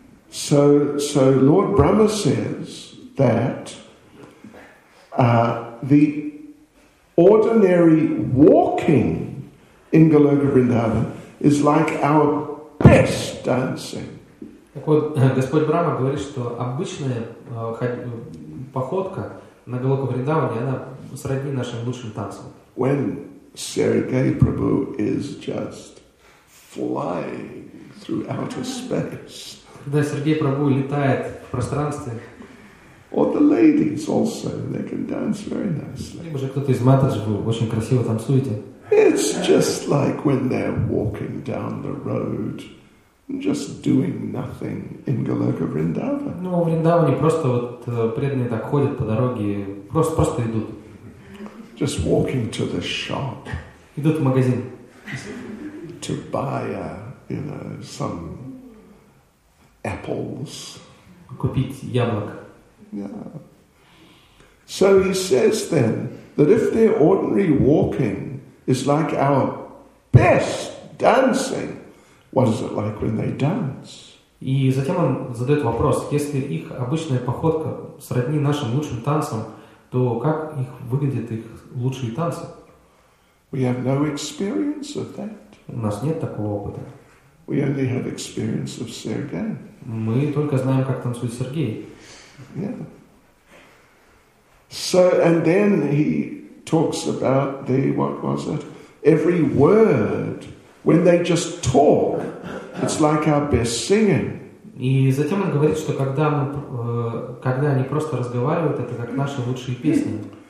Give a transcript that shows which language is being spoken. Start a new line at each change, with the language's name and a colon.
English: So Lord Brahma says that the ordinary walking in Goloka Vrindavan is like our best dancing.
Russian: Так вот, Господь Брама говорит, что обычная походка на Голоку Вриндаване, она сродни нашим лучшим танцам.
English: When Sergei Prabhu is just flying through outer space.
Russian: когда Сергей Прабху летает в пространстве.
English: Or the ladies also, they can dance very nicely.
Russian: Либо же кто-то из матадж был, очень красиво танцуете.
English: It's just like when they're walking down the road, just doing nothing in Goloka Vrindavan.
Russian: Ну, в Вриндаване просто вот преданные так ходят по дороге, просто идут.
English: Just walking to the shop.
Russian: Идут в магазин.
English: To buy, you know, some apples.
Russian: Купить яблок.
English: Yeah. So he says then that if their ordinary walking is like our best dancing, what is it like when they dance?
Russian: И затем он задает вопрос: если их обычная походка сродни нашим лучшим танцам, то как их выглядят их лучшие танцы?
English: We have no experience of that.
Russian: У нас нет такого опыта.
English: We only have experience of Sergei.
Russian: Мы только знаем, как танцует Сергей.
English: Yeah. So and then he talks about the what was it? Every word when they just talk, it's like our best singing.
Russian: И затем он говорит, что когда они просто разговаривают, это как наши лучшие песни.